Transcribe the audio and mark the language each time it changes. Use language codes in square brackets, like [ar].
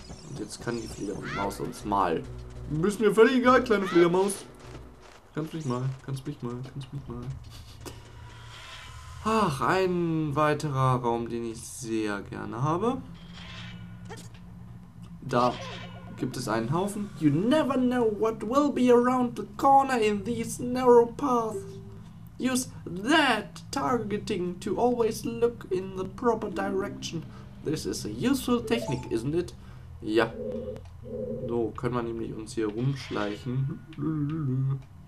[de] Und jetzt kann die Fledermaus uns mal. Bist mir völlig egal, kleine Fledermaus. Kannst mich mal, kannst mich mal, kannst mich mal. Ach, ein weiterer Raum, den ich sehr gerne habe. Da gibt es einen Haufen. [en] You never know what will be around the corner in these narrow paths. Use that targeting to always look in the proper direction. This is a useful technique, isn't it? [de] Ja. So können wir nämlich uns hier rumschleichen.